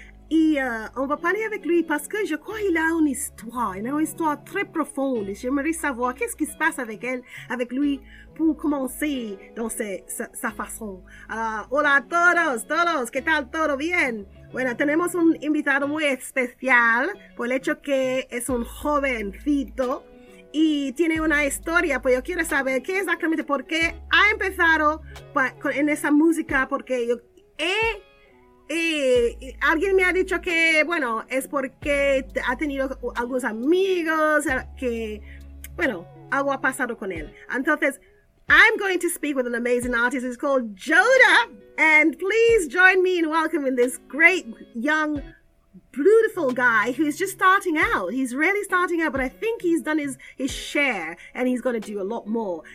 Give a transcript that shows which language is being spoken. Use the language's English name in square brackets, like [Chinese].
[French] Et on va parler avec lui parce que je crois qu'il a une histoire, il a une histoire très profonde et j'aimerais savoir qu'est-ce qui se passe avec elle, avec lui, pour commencer dans sa façon. [Spanish] Hola a todos, todos, ¿qué tal? ¿Todo bien? Bueno, tenemos un invitado muy especial por el hecho que es un jovencito y tiene una historia, pues yo quiero saber qué exactamente, por qué ha empezado en esa música, porque yo he... Y alguien me ha dicho que, bueno, es porque ha tenido algunos amigos que, bueno, algo ha pasado con él. [English] Entonces, I'm going to speak with an amazing artist. It's called Jodah. And please join me in welcoming this great, young, beautiful guy who is just starting out. He's really starting out, but I think he's done his share and he's going to do a lot more.